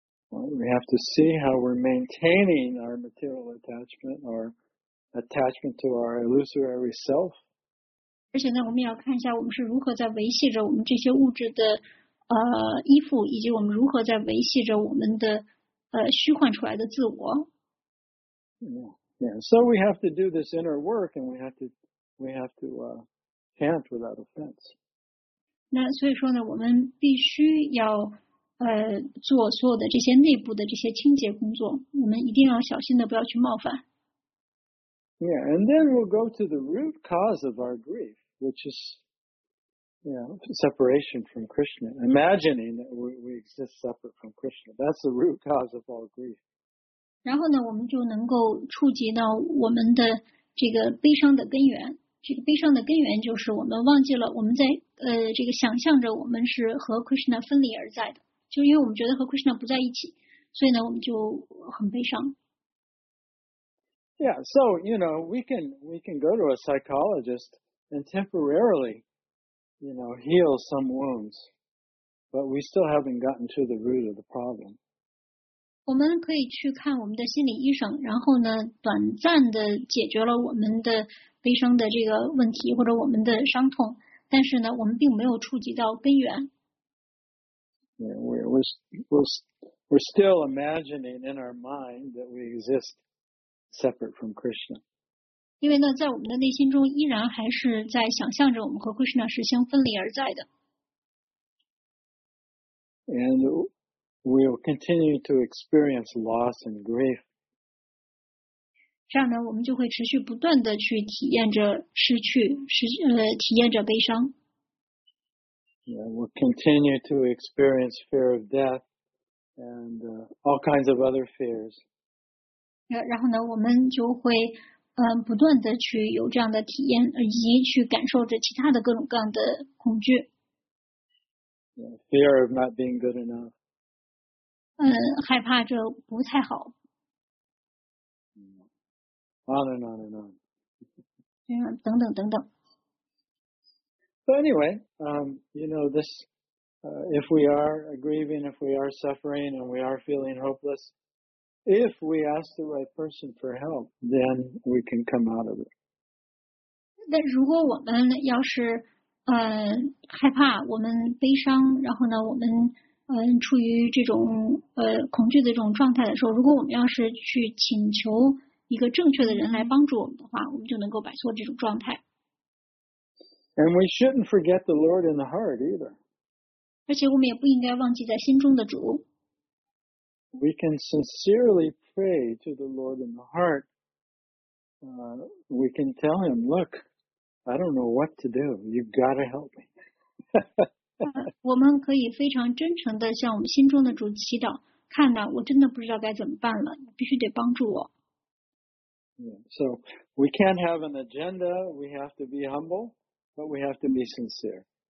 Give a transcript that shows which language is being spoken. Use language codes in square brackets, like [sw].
[en] Well, we have to see how we're maintaining our material attachment or attachment to our illusory self. [zh] 而且呢，我们也要看一下我们是如何在维系着我们这些物质的依附，以及我们如何在维系着我们的虚幻出来的自我。 Yeah. [en] So we have to do this inner work, and we have to chant without offense. [zh] 那所以说呢，我们必须要做所有的这些内部的这些清洁工作，我们一定要小心的不要去冒犯。 [en] Yeah, and then we'll go to the root cause of our grief, which is, you know, separation from Krishna. Imagining that we exist separate from Krishna. That's the root cause of all grief. [zh] 然后呢，我们就能够触及到我们的这个悲伤的根源。这个悲伤的根源就是我们忘记了我们在这个想象着我们是和 Krishna 分离而在的。就因为我们觉得和 Krishna 不在一起，所以呢，我们就很悲伤。 [en] Yeah, so, you know, we can go to a psychologist and temporarily, you know, heal some wounds, but we still haven't gotten to the root of the problem. [zh] 我们可以去看我们的心理医生，然后呢，短暂的解决了我们的悲伤的这个问题或者我们的伤痛，但是呢，我们并没有触及到根源。 [en] Yeah, we're still imagining in our mind that we exist. Separate from Krishna. [zh] 因为呢，在我们的内心中依然还是在想象着我们和 Krishna 是相分离而在的。 [en] And we'll continue to experience loss and grief. [zh] 这样呢，我们就会持续不断的去体验着失去，体验着悲伤。 [en] Yeah, we'll continue to experience fear of death and all kinds of other fears. [zh] 然后呢，我们就会不断的去有这样的体验，以及去感受着其他的各种各样的恐惧。 [en] Fear of not being good enough. [zh] 害怕这不太好。 [en] On and on and on. [zh] 等等等等。 [en] So anyway, you know, this, if we are grieving, if we are suffering, and we are feeling hopeless,If we ask the right person for help, then we can come out of it. [zh] 但如果我们要是害怕，我们悲伤，然后呢，我们处于这种恐惧的这种状态的时候，如果我们要是去请求一个正确的人来帮助我们的话，我们就能够摆脱这种状态。 [en] And we shouldn't forget the Lord in the heart either. [zh] 而且我们也不应该忘记在心中的主。 [en] We can sincerely pray to the Lord in the heart. We can tell him, look, I don't know what to do. You've got to help me. [zh] 我们可以非常真诚地向我们心中的主祈祷，看呢，我真的不知道该怎么办了，你必须得帮助我。 [en] So we can't have an agenda. We have to be humble, but we have to be sincere.